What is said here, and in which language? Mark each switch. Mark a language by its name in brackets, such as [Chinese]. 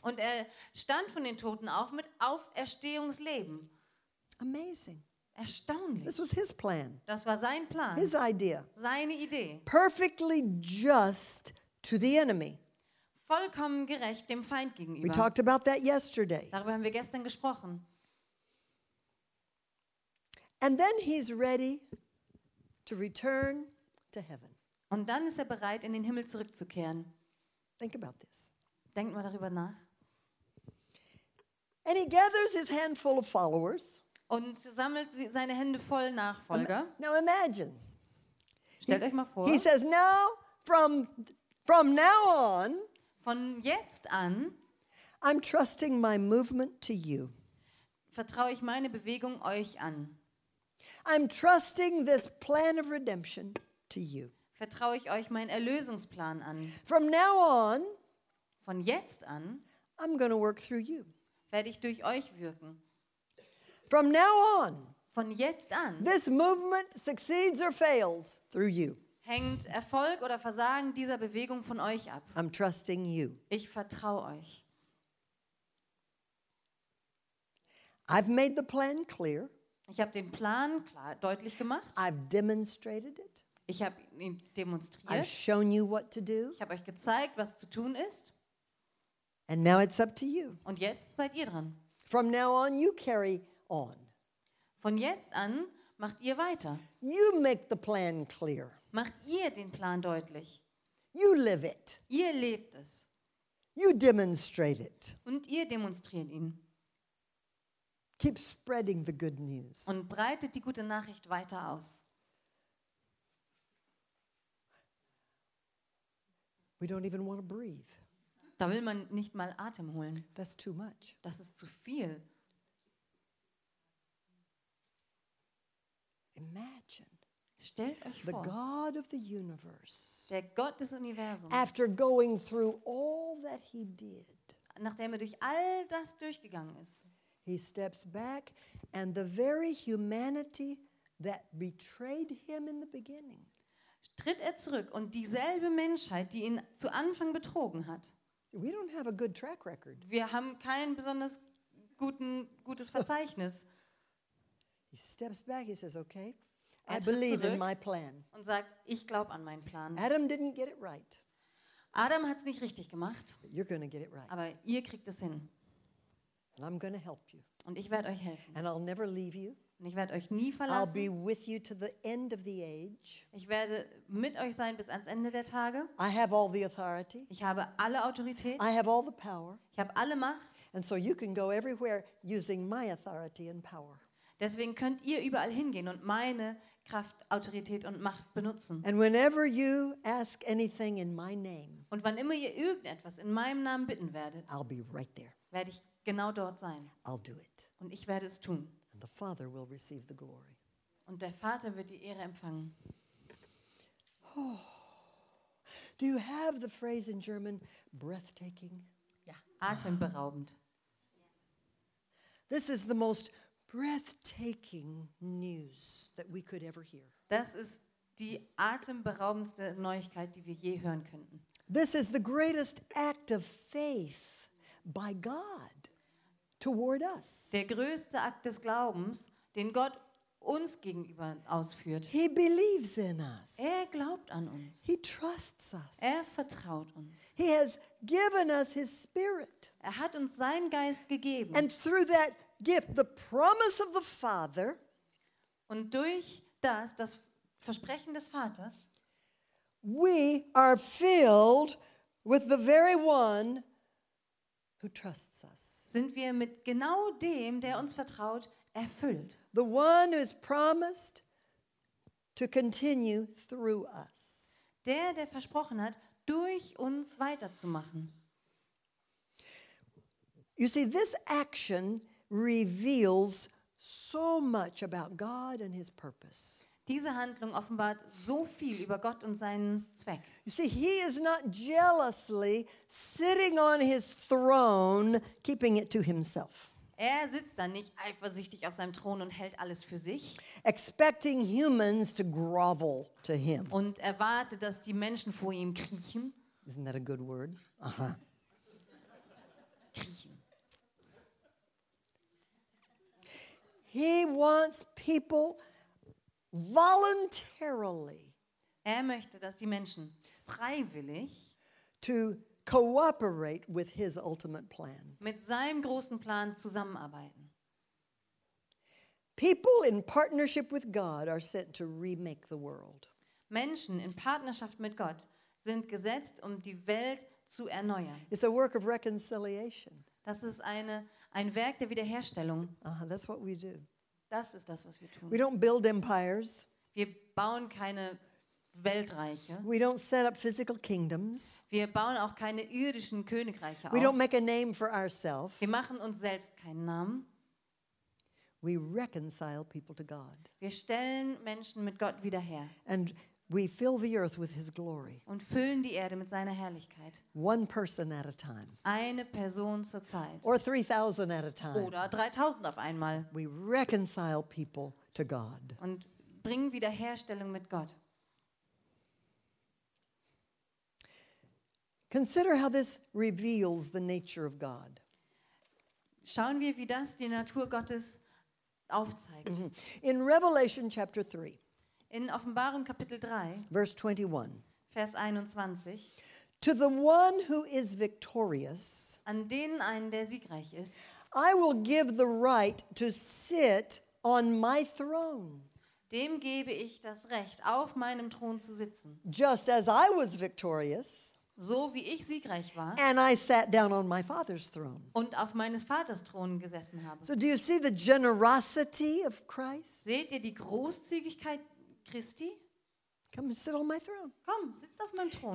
[German] Und er stand von den Toten auf mit Auferstehungsleben. [English] Amazing. [German] Erstaunlich. [English] This was his plan. [German] Das war sein Plan. [English] His idea. [German] Seine Idee. [English] Perfectly just to the enemy. [German] Vollkommen gerecht dem Feind gegenüber. [English] We talked about that yesterday. [German] Darüber haben wir gestern gesprochen. [English] And then he's ready to return to heaven. [German] Und dann ist er bereit, in den Himmel zurückzukehren. [English] Think about this. [German] Denkt mal darüber nach. [English] And he gathers his handful of followers. [German] Und sammelt seine Hände voll Nachfolger. [English] Now imagine. [German] Stellt euch mal vor. [English] He says, now from now on. [German] Von jetzt an. [English] I'm trusting my movement to you. [German] Vertraue ich meine Bewegung euch an. [English] I'm trusting this plan of redemption to you. [German] Vertraue ich euch meinen Erlösungsplan an. [English] From now on. [German] Von jetzt an. [English] I'm going to work through you. [German] Werde ich durch euch wirken. [English] From now on. [German] Von jetzt an. [English] This movement succeeds or fails through you. [German] Hängt Erfolg oder Versagen dieser Bewegung von euch ab. [English] I'm trusting you. [German] Ich vertraue euch. [English] I've made the plan clear. [German] Ich habe den Plan klar deutlich gemacht. [English] I've demonstrated it. [German] Ich habe ihn demonstriert. [English] I've shown you what to do. [German] Ich habe euch gezeigt, was zu tun ist. [English] And now it's up to you. [German] Und jetzt seid ihr dran. [English] From now on you carry on. [German] Von jetzt an macht ihr weiter. [English] You make the plan clear. [German] Macht ihr den Plan deutlich. [English] You live it. [German] Ihr lebt es. [English] You demonstrate it. [German] Und ihr demonstriert ihn. [English] Keep spreading the good news. [German] Und breitet die gute Nachricht weiter aus. [English] We don't even want to breathe. [German] Da will man nicht mal Atem holen. [English] That's too much. [German] Das ist zu viel. [English] Imagine. [German] Stellt euch vor. [English] The God of the universe. [German] Der Gott des Universums. [English] After going through all that he did. [German] Nachdem er durch all das durchgegangen ist. [English] He steps back and the very humanity that betrayed him in the beginning. [German] Tritt er zurück und dieselbe Menschheit, die ihn zu Anfang betrogen hat. [English] We don't have a good track record. [German] Wir haben kein besonders gutes Verzeichnis. [English] He steps back, he says, okay, I believe in my plan. [German] Und sagt, ich glaube an meinen Plan. [English] Adam didn't get it right. [German] Adam hat es nicht richtig gemacht. [English] But you're going to get it right. [German] Aber ihr kriegt es hin. [English] And I'm going to help you. [German] Und ich werde euch helfen. [English] And I'll never leave you. [German] Und ich werde euch nie verlassen. [English] I'll be with you to the end of the age. [German] Ich werde mit euch sein bis ans Ende der Tage. [English] I have all the authority. [German] Ich habe alle Autorität. [English] I have all the power. [German] Ich habe alle Macht. [English] And so you can go everywhere using my authority and power. [German] Deswegen könnt ihr überall hingehen und meine Kraft, Autorität und Macht benutzen. [English] And whenever you ask anything in my name. [German] Und wann immer ihr irgendetwas in meinem Namen bitten werdet. [English] I'll be right there. [German] Werde ich genau dort sein. [English] I'll do it. [German] Und ich werde es tun. [English] And the Father will receive the glory. [German] Und der Vater wird die Ehre empfangen. Oh. [English] Do you have the phrase in German breathtaking? [German] Ja, atemberaubend. [English] This is the most breathtaking news that we could ever hear. [German] Das ist die atemberaubendste Neuigkeit, die wir je hören könnten. [English] This is the greatest act of faith by God. Toward us. [German] Der größte Akt des Glaubens, den Gott uns gegenüber ausführt. [English] He believes in us. [German] Er glaubt an uns. [English] He trusts us. [German] Er vertraut uns. [English] He has given us his spirit. [German] Er hat uns seinen Geist gegeben. [English] And through that gift, the promise of the Father. [German] Und durch das Versprechen des Vaters. [English] We are filled with the very one who trusts us. [German] Sind wir mit genau dem, der uns vertraut, erfüllt. [English] The one who has promised to continue through us. [German] Der versprochen hat, durch uns weiterzumachen. [English] You see, this action reveals so much about God and his purpose. [German] Diese Handlung offenbart so viel über Gott und seinen Zweck. [English] You see, he is not jealously sitting on his throne, keeping it to himself. [German] Er sitzt da nicht eifersüchtig auf seinem Thron und hält alles für sich. [English] Expecting humans to grovel to him. [German] Und erwartet, dass die Menschen vor ihm kriechen. [English] Isn't that a good word? Aha. [German] Kriechen. [English] He wants people voluntarily. [German] Er möchte, dass die Menschen freiwillig [English] to cooperate with his ultimate plan. [German] Mit seinem großen Plan zusammenarbeiten. [English] People in partnership with God are sent to remake the world. [German] Menschen in Partnerschaft mit Gott sind gesetzt, um die Welt zu erneuern. [English] It's a work of reconciliation. [German] Das ist ein Werk der Wiederherstellung. [English] That's what we do. [German] Das ist das, was wir tun. [English] We don't build empires. [German] Wir bauen keine Weltreiche. [English] We don't set up physical kingdoms. [German] Wir bauen auch keine irdischen Königreiche [English] we [German] auf. [English] Don't make a name for ourselves. [German] Wir machen uns selbst keinen Namen. [English] We reconcile people to God. [German] Wir stellen Menschen mit Gott wieder her. [English] And we fill the earth with his glory. [German] Und füllen die Erde mit seiner Herrlichkeit. [English] One person at a time. [German] Eine Person zur Zeit. [English] Or 3,000 at a time. [German] Oder 3,000 auf einmal. [English] We reconcile people to God. [German] Und bringen Wiederherstellung mit Gott. [English] Consider how this reveals the nature of God. [German] Schauen wir, wie das die Natur Gottes aufzeigt. [English] In Revelation chapter 3. [German] In Offenbarung Kapitel 3. [English] Verse 21. [German] Vers 21. [English] To the one who is victorious. [German] An den einen, der siegreich ist. [English] I will give the right to sit on my throne. [German] Dem gebe ich das Recht, auf meinem Thron zu sitzen. [English] Just as I was victorious. [German] So wie ich siegreich war. [English] And I sat down on my father's throne. [German] Und auf meines Vaters Thron gesessen habe. [English] So do you see the generosity of Christ? [German] Seht ihr die Großzügigkeit Christi? [English] Come sit on my throne. [German] Komm, sitzt auf meinem Thron.